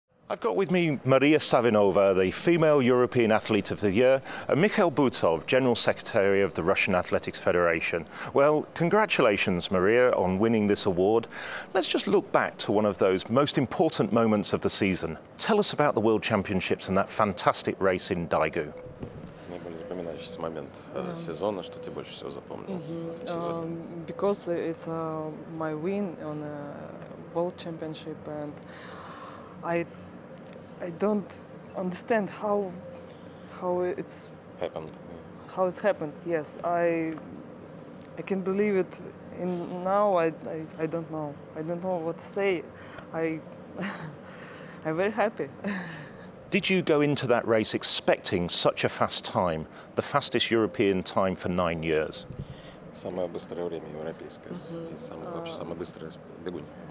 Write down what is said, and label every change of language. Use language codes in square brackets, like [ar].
[en] I've got with me Maria Savinova, the female European athlete of the year, and Mikhail Butov, General Secretary of the Russian Athletics Federation. Well, congratulations, Maria, on winning this award. Let's just look back to one of those most important moments of the season. Tell us about the World Championships and that fantastic race in Daegu. [ru] Момент сезона, что тебе больше всего запомнилось? [en] Because it's my win on a World Championship, and I don't understand how it happened. Yes, I can believe it. In now, I don't know. I don't know what to say. I'm very happy. Did you go into that race expecting such a fast time, the fastest European time for 9 years? [ru] Самое быстрое время европейское. И самое, вообще самое быстрое бегунь.